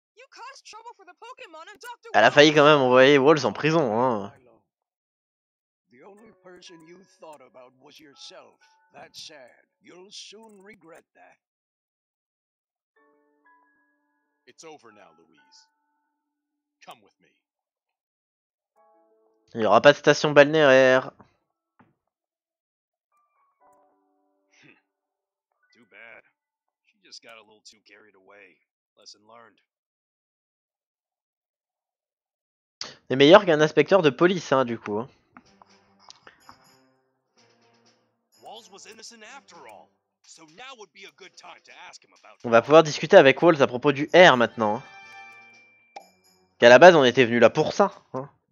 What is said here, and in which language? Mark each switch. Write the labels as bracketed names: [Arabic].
[English] You caused trouble for the Pokémon and Dr. [French] Elle a failli quand même envoyer Walls en prison, hein. [English] The only person you thought about was yourself. That's sad. You'll soon regret that. It's over now, Louise. Come with me. [French] Il y aura pas de station balnéaire. [English] Too bad. She just got a little too carried away. Lesson learned. [French] C'est meilleur qu'un inspecteur de police, hein, du coup. [English] Walls was innocent after all. So now would be a good time to ask him about. [French] On va pouvoir discuter avec Walls à propos du R maintenant. Qu'à la base on était venu là pour ça, hein.